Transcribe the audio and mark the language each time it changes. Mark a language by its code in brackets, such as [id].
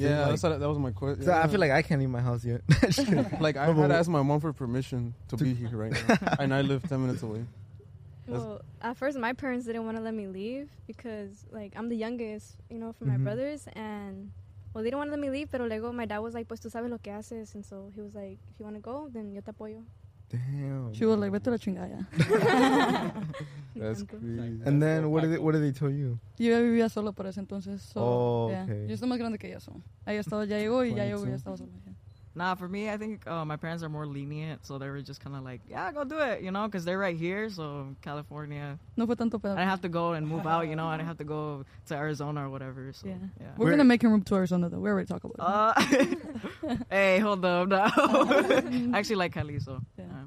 [en] Yeah, like, that was my question. Yeah. I feel like I can't leave my house yet. Like, I had to ask my mom for permission to be here right now. And I live 10 minutes away. Well, at first, my parents didn't want to let me leave because, like, I'm the youngest, you know, from my brothers. And, well, they didn't want to let me leave. [es] Pero luego, [en] my dad was like, [es] pues, tú sabes lo que haces. [en] And so, he was like, if you want to go, then [es] yo te apoyo. [en] Damn. She was like, [es] vete la chingada. [en] That's crazy. And then, what did they tell you? [es] Yo ya vivía solo por ese entonces. [en] So, oh, okay. Yeah. [es] Yo estoy más grande que ella, so. Ahí estaba, ya llegó y ya llegó y ya estaba solo. [en] Nah, for me, I think my parents are more lenient, so they were just kind of like, yeah, go do it, you know, because they're right here, so California. [es] No fue tanto pedo. [en] I didn't have to go and move out, you know, I didn't have to go to Arizona or whatever, so, yeah. We're going to make him move to Arizona, though. We already talked about it. Hey, hold up, no. I actually like Cali, so. Yeah.